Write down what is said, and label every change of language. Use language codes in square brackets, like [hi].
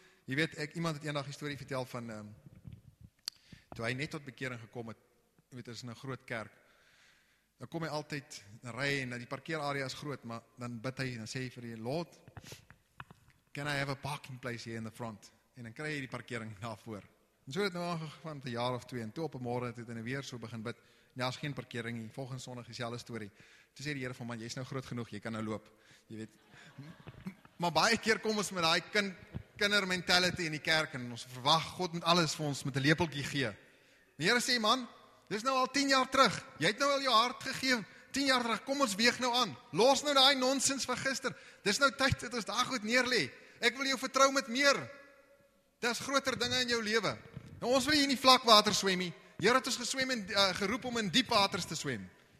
[af] Jy weet, ek iemand het eendag 'n storie vertel van toe hy net tot bekering gekom het, jy weet, is in 'n groot kerk. Dan kom hy altyd ry en die parkeerarea is groot, maar dan bid hy en dan sê hy vir die Lord, [en] "Can I have a parking place here in the front?" [af] En dan kry hy die parkering daarvoor. En so het nou aangegaan vir 'n jaar of twee en toe op 'n môre het hy dan weer so begin bid. Ja, is geen parkering nie, volgens Sondag dieselfde storie. Toe sê die Here van man, jy is nou groot genoeg, jy kan nou loop. Jy weet. Maar baie keer kom ons met daai kinder mentality in die kerk en ons verwag God met alles vir ons met 'n lepeltjie gee. Die Here sê man, dis nou al 10 jaar terug. Jy het nou al jou hart gegee 10 jaar terug. Kom ons weeg nou aan. Los nou daai nonsens van gister. Dis nou tyd dat ons daai goed neerlê. Ek wil jou vertrou met meer. Daar's groter dinge in jou lewe. Nou ons wil hier in die vlak water swem nie. Here het ons geswem en geroep om in diep waters te swem.